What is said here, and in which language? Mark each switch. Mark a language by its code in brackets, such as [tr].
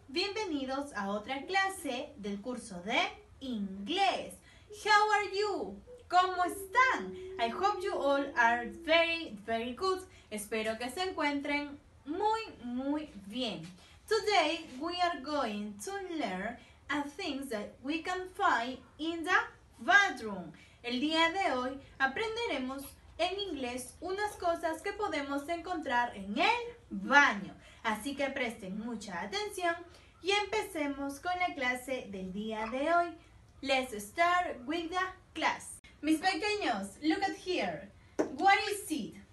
[es] Bienvenidos a otra clase del curso de inglés. [en] How are you? [es] ¿Cómo están? [en] I hope you all are very, very good. [es] Espero que se encuentren muy, muy bien. [en] Today we are going to learn things that we can find in the bathroom. [es] El día de hoy aprenderemos en inglés unas cosas que podemos encontrar en el baño. Así que presten mucha atención y empecemos con la clase del día de hoy. [en] Let's start with the class. [es] Mis pequeños, [en] look at here. What is it?